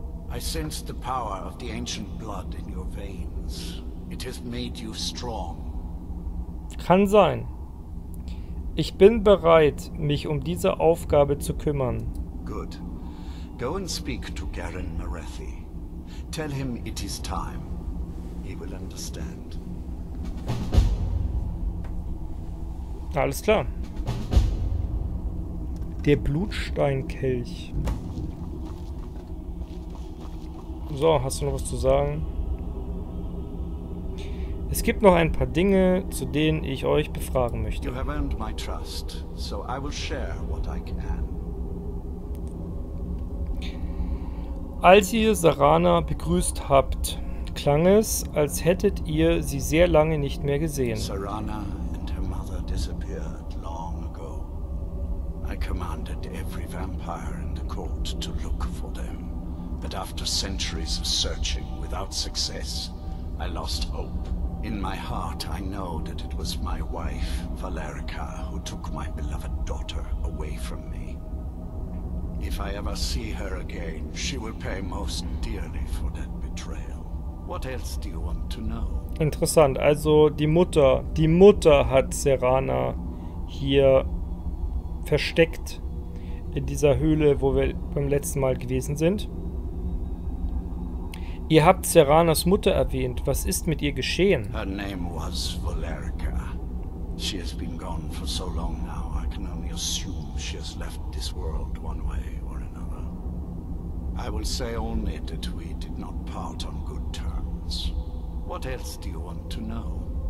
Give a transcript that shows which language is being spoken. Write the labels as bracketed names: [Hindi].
[English] I sense the power of the ancient blood in your veins. It has made you strong. [German] Kann sein. Ich bin bereit, mich um diese Aufgabe zu kümmern. [English] Good. Go and speak to Garen Marethi. Tell him it is time. He will understand. [German] Alles klar. Der Blutsteinkelch. So, hast du noch was zu sagen? Es gibt noch ein paar Dinge, zu denen ich euch befragen möchte. [English] You have earned my trust, so I will share what I can. [German] Als ihr Sarana begrüßt habt, klang es, als hättet ihr sie sehr lange nicht mehr gesehen. [English] Sarana and her mother disappeared long ago. I commanded every vampire in the court to look for them. But after centuries of searching without success, I lost hope. In my heart, I know that it was my wife, Valerica, who took my beloved daughter away from me. If I ever see her again, she will pay most dearly for that betrayal. What else do you want to know? [German] Interessant. Also die Mutter hat Serana hier versteckt in dieser Höhle, wo wir beim letzten Mal gewesen sind. Ihr habt Seranas Mutter erwähnt. Was ist mit ihr geschehen? [English] Her name was Valerica. She has been gone for so long now, I can only assume she has left this world one way or another. I will say only that we did not part on good terms. What else do you want to know?